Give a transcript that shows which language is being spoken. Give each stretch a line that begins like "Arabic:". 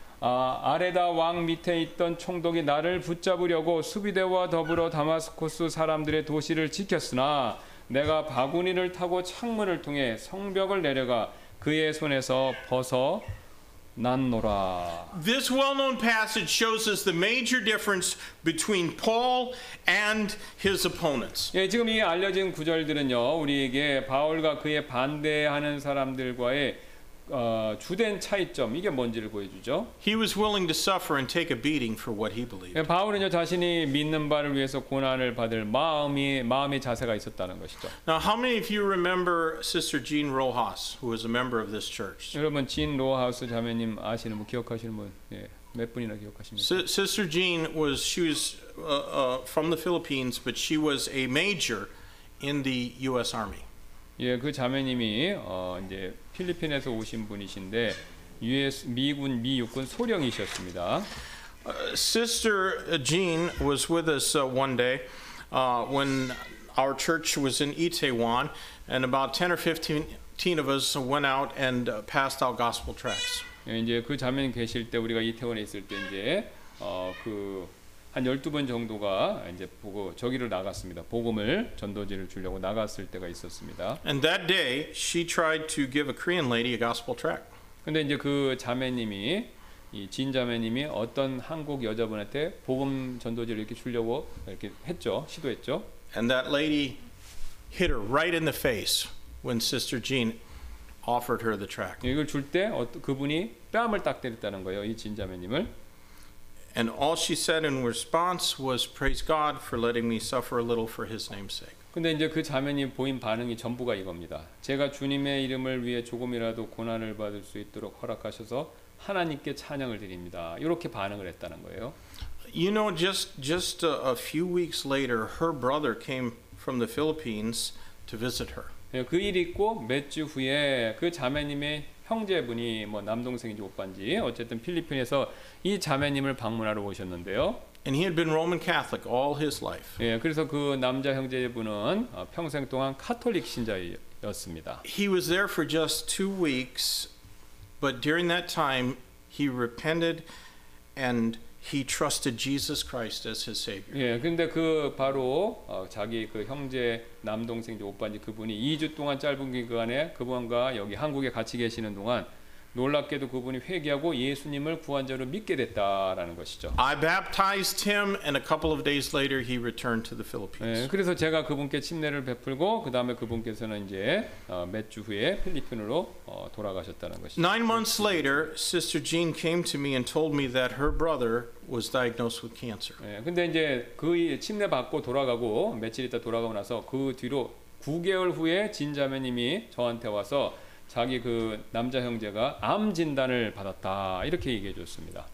Korean: 아레다 왕 밑에 있던 총독이 나를 붙잡으려고 수비대와 더불어 다마스코스 사람들의 도시를 지켰으나 내가 바구니를 타고 창문을 통해 성벽을 내려가 그의 손에서 벗어 난노라.
English: This well-known passage shows us the major difference between Paul and his opponents.
Korean: 예, 지금 이 알려진 구절들은요, 우리에게 바울과 그의 반대하는 사람들과의 주된 차이점 이게 뭔지를 보여주죠.
English: He was willing to suffer and take a beating for what he believed.
Korean: 예, 바울은요 자신이 믿는 바를 위해서 고난을 받을 마음의 자세가 있었다는 것이죠.
English: Now, how many of you remember Sister Jean Rojas, who was a member of this church?
Korean: 여러분, 진 로하우스 자매님 아시는 분, 기억하시는 분, 예, 몇 분이나 기억하십니까?
English: Sister Jean was from the Philippines, but she was a major in the U.S. Army.
Korean: 예, 그 자매님이 이제 필리핀에서 오신 분이신데 US 미군 미육군 소령이셨습니다.
English: Sister Jean was with us one day when our church was in Itaewon and about 10 or 15 of us went out and passed out gospel tracts.
Korean: 예, 이제 그 자매님 계실 때 우리가 이태원에 있을 때 이제 그 한 12번 정도가 이제 보고 저기를 나갔습니다. 복음을 전도지를 주려고 나갔을 때가 있었습니다.
English: And that day she tried to give a Korean lady a gospel tract.
Korean: 근데 이제 그 자매님이 이 진 자매님이 어떤 한국 여자분한테 복음 전도지를 이렇게 주려고 이렇게 했죠. 시도했죠.
English: And that lady hit her right in the face when Sister Jean offered her the tract.
Korean: 이걸 줄 때 그분이 뺨을 딱 때렸다는 거예요. 이 진 자매님을.
English: And all she said in response was, "Praise God for letting me suffer a little for His name's sake."
Korean: 근데 이제 그 자매님 보인 반응이 전부가 이겁니다. 제가 주님의 이름을 위해 조금이라도 고난을 받을 수 있도록 허락하셔서 하나님께 찬양을 드립니다. 이렇게 반응을 했다는 거예요.
English: You know, just a few weeks later, her brother came from the Philippines to visit her.
Korean: 그 일 있고 몇 주 후에 그 자매님의 형제분이 뭐 남동생인지 오빠인지 어쨌든 필리핀에서 이 자매님을 방문하러 오셨는데요.
English: And he had been Roman Catholic all his life.
Korean: 예, 그래서 그 남자 형제분은 평생 동안 카톨릭 신자였습니다.
English: He was there for just 2 weeks, but during that time he repented and he trusted Jesus Christ as his savior.
Korean: 예, 근데 그 바로 자기 그 형제 남동생인지 오빠인지 그분이 2주 동안 짧은 기간에 그분과 여기 한국에 같이 계시는 동안 놀랍게도 그분이 회개하고 예수님을 구원자로 믿게 됐다라는 것이죠.
English: I baptized him and a couple of days later he returned to the Philippines.
Korean: 예, 그래서 제가 그분께 침례를 베풀고 그다음에 그분께서는 이제 몇 주 후에 필리핀으로 돌아가셨다는 것이죠.
English: 9 months later, Sister Jean came to me and told me that her brother was diagnosed with cancer.
Korean: 예, 근데 이제 그 침례 받고 돌아가고 며칠 있다 돌아가고 나서 그 뒤로 9개월 후에 진 자매님이 저한테 와서 자기 그 남자 형제가 암 진단을 받았다 이렇게 얘기해 줬습니다.